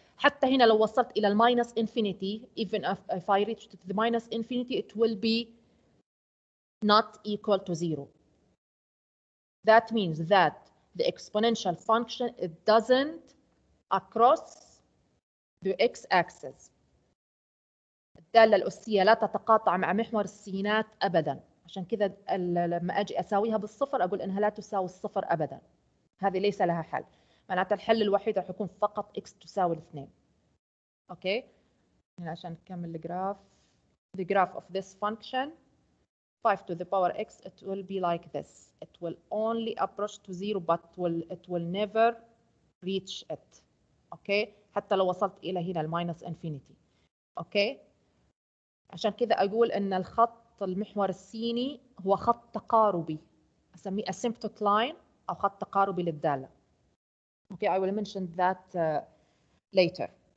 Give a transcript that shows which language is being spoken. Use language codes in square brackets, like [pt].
[ar] حتى هنا لو وصلت إلى الماينس إنفينيتي, [en] even if I reach to the minus infinity, it will be not equal to zero. That means that the exponential function, it doesn't across the x-axis. [ar] الدالة الأسية لا تتقاطع مع محور السينات أبدا. عشان كذا لما أجي أساويها بالصفر أقول إنها لا تساوي الصفر أبدا. هذه ليس لها حل. معناته الحل الوحيد راح يكون فقط x تساوي الاثنين. [en] Okay, and [ar] عشان نكمل [en] the graph of this function, 5 to the power x, it will be like this. It will only approach to zero, but it will never reach it. [ar] Okay, حتى لو وصلت إلى هنا [en] minus infinity. [ar] Okay, عشان كذا أقول إن الخط المحور السيني هو خط تقاربي. أسميه asymptote line, أو خط تقاربي للدالة. [en] Okay, I will mention that later.